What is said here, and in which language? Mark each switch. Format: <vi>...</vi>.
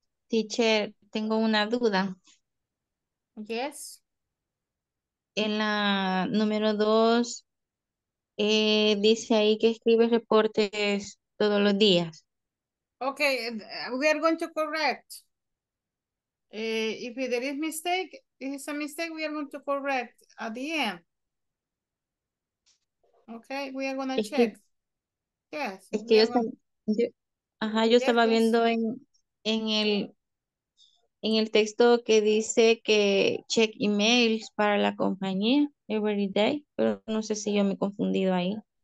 <es>Teacher, tengo una duda.</es> <en>Yes.</en> <es>En la número dos, dice ahí que escribe reportes todos los días.</es> <en>Okay, we are going to correct. If there is mistake, if it's a mistake, we are going to correct at the end. Okay, we are going to check.</en> <es>Es que yo estaba viendo en el texto que dice que</es> <en>check emails</en> <es>para la compañía</es> <en>every day,</en> <es>pero no sé si yo me he confundido ahí.</es>